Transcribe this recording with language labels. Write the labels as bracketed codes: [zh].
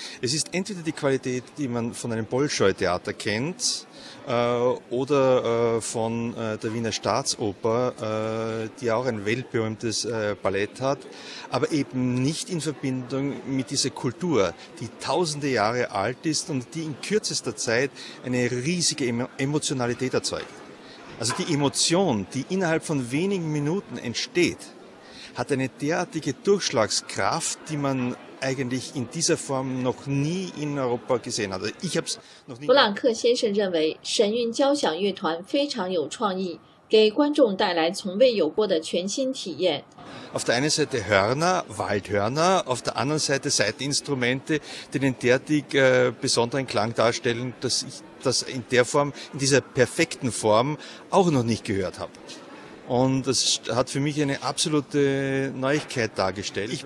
[de] Es ist entweder die Qualität, die man von einem Bolschoi-Theater kennt oder von der Wiener Staatsoper, die auch ein weltberühmtes Ballett hat, aber eben nicht in Verbindung mit dieser Kultur, die tausende Jahre alt ist und die in kürzester Zeit eine riesige Emotionalität erzeugt. Also die Emotion, die innerhalb von wenigen Minuten entsteht, hat eine derartige Durchschlagskraft, die man eigentlich in dieser Form noch nie in Europa gesehen hat. Ich habe es noch nie. [zh] 勃朗克先生认为，神韵交响乐团非常有创意，给观众带来从未有过的全新体验。 [de] Auf der einen Seite Hörner, Waldhörner, auf der anderen Seite Saiteninstrumente, die den derartig besonderen Klang darstellen, dass ich das in der Form, in dieser perfekten Form, auch noch nicht gehört habe. Und das hat für mich eine absolute Neuigkeit dargestellt.